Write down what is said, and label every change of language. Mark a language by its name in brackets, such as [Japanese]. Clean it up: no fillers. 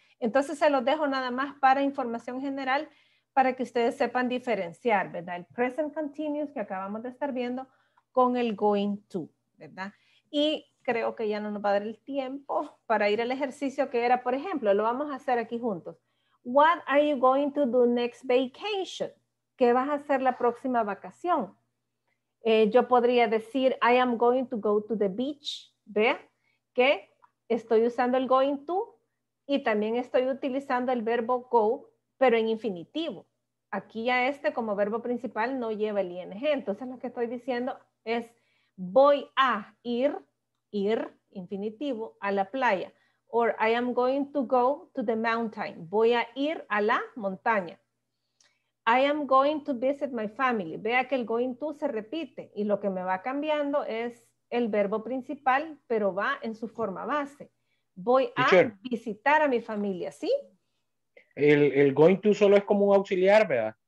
[Spanish] Entonces se los dejo nada más para información general, para que ustedes sepan diferenciar, ¿verdad? El present continuous que acabamos de estar viendo con el going to, ¿verdad? Y creo que ya no nos va a dar el tiempo para ir al ejercicio que era, por ejemplo, lo vamos a hacer aquí juntos. [English] What are you going to do next vacation? [Spanish] ¿Qué vas a hacer la próxima vacación? Yo podría decir, [English] I am going to go to the beach. [Spanish] ¿Vea? Que estoy usando el going to y también estoy utilizando el verbo go, pero en infinitivo. Aquí ya este como verbo principal no lleva el ing. Entonces lo que estoy diciendo es, voy a ir, infinitivo, a la playa. [English] or I am going to go to the mountain. [Spanish] Voy a ir a la montaña. [English] I am going to visit my family. [Spanish] Vea que el going to se repite y lo que me va cambiando es el verbo principal, pero va en su forma base. Voy a visitar a mi familia, ¿sí? El going to solo es como un auxiliar, ¿verdad?